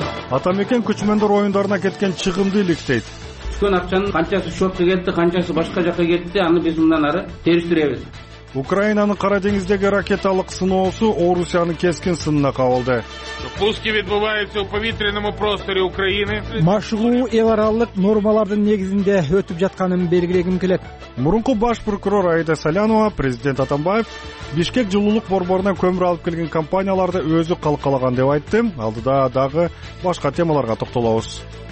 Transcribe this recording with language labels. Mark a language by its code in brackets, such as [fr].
[ky] Атамекен күчмөндөр оюндарына кеткен чыгымды иликтейт. Түшкөн акчанын канчасы шотко кетти, канчасы башка жака кетти, аны биз мындан ары териштиребиз. Украинанын Кара деңиздеги ракеталык сыноосу Орусиянын кескин сынына кабылды. [uk] Пуски відбуваються у повітряному просторі України. [ky] Машыгуу эл аралык нормалардын негизинде өтүп жатканын белгилегим келет. Мурунку баш прокурор Аида Салянова, президент Атамбаев Бишкек жылуулук борборуна көмүр алып келген компанияларды өзү калкалаган деп айтты. Алдыда дагы башка темаларга токтолобуз.